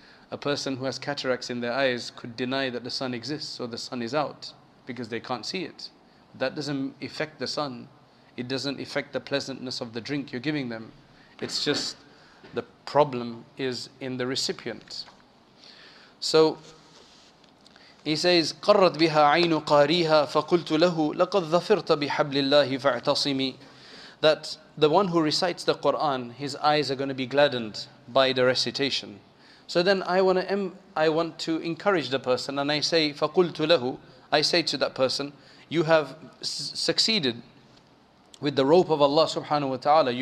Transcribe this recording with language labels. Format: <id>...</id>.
<en>A person who has cataracts in their eyes could deny that the sun exists, or the sun is out, because they can't see it. That doesn't affect the sun. It doesn't affect the pleasantness of the drink you're giving them. It's just the problem is in the recipient. So he says,</en> <ar>قَرَّتْ بِهَا عَيْنُ قَارِيهَا فَقُلْتُ لَهُ لَقَدْ ظَفِرْتَ بِحَبْلِ اللَّهِ فَاعْتَصِمِي.</ar> <en>That the one who recites the Quran, his eyes are going to be gladdened by the recitation. So then I want to encourage the person, and I say,</en> <ar>فَقُلْتُ لَهُ,</ar> <en>I say to that person, you have succeeded with the rope of Allah subhanahu wa ta'ala.</en>